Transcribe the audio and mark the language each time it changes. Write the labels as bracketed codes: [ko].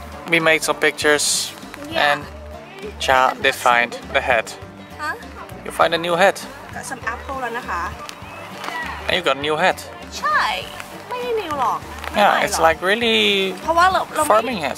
[en] we made some pictures and Cha did find the hat. Huh? You find a new hat. Got some apple [th] แล้วนะคะ [en] And you got a new hat. [th] ใช่ไม่ได้ new หรอก [en] Yeah, it's like really farming hat.